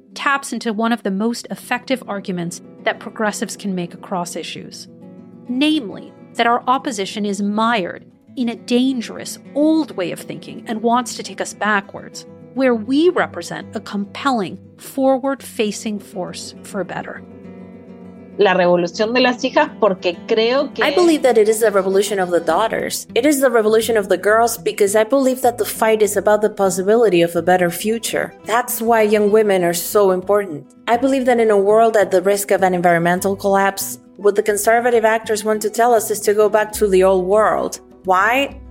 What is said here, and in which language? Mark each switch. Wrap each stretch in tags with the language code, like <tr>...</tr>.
<en>taps into one of the most effective arguments that progressives can make across issues. Namely, that our opposition is mired in a dangerous, old way of thinking and wants to take us backwards, where we represent a compelling, forward-facing force for better.</en> <es>La revolución de las hijas, porque creo que...</es> <en>I believe that it is the revolution of the daughters. It is the revolution of the girls because I believe that the fight is about the possibility of a better future. That's why young women are so important. I believe that in a world at the risk of an environmental collapse, what the conservative actors want to tell us is to go back to the old world. Why?</en>